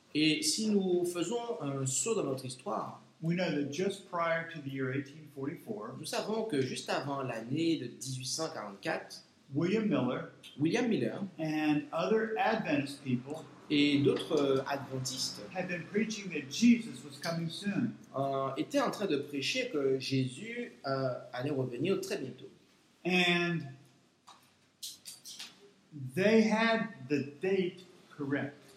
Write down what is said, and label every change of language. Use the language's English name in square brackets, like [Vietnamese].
[French] Et si nous faisons un saut dans notre histoire, [English] we know that just prior to the year 1844, [French] nous savons que juste avant l'année de 1844, [English] William Miller and other Adventist people [French] et d'autres adventistes [English] had been preaching that Jesus was coming soon. [French] Étaient en train de prêcher que Jésus allait revenir très bientôt. [English] And they had the date correct.